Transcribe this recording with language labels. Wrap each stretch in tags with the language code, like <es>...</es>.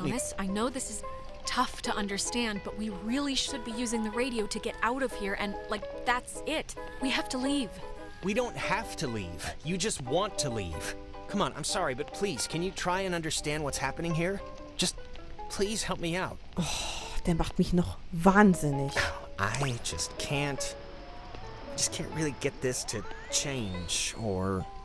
<en>me... Jonas, I know this is... Tough to understand, but we really should be using the radio to get out of here, and, like, that's it. We have to leave. We don't have to leave. You just want to leave. Come on, I'm sorry, but please, can you try and understand what's happening here? Just please help me out.</en> <de>Oh, der macht mich noch wahnsinnig.</de> <en>I just can't... just can't really get this to change, or...</en>